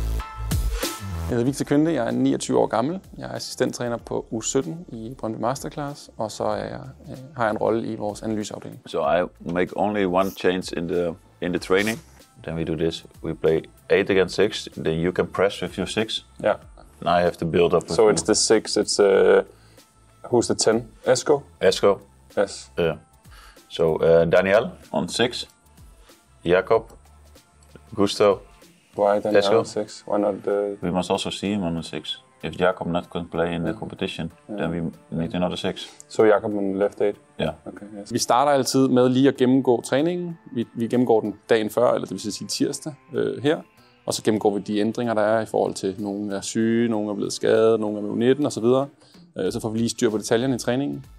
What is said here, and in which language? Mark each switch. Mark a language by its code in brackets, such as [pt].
[da] Jeg hedder Victor Kønte, jeg er 29 år gammel. Jeg er assistenttræner på U17 i Brøndby Masterclass, og så har jeg en rolle i vores analyseafdeling. [en] So I make only one change in the training. Then we do this. We play 8 against 6, then you can press with your 6. Yeah. Now I have to build up. So it's the 6, it's who's the 10? Esko? Esko. Yes. So Daniel on 6. Jakob. Gusto. Why then on 6? Why not the... We must also see him on the 6. If Jakob not can play in the competition, then we need another 6. So Jakob on left 8? Ja. Yeah. Okay, yes. [da] Vi starter altid med lige at gennemgå træningen. Vi gennemgår den dagen før, eller det vil sige tirsdag her. Og så gennemgår vi de ændringer, der er i forhold til, nogle er syge, nogle er blevet skadet, nogle er med U19 osv. Så får vi lige styr på detaljerne i træningen.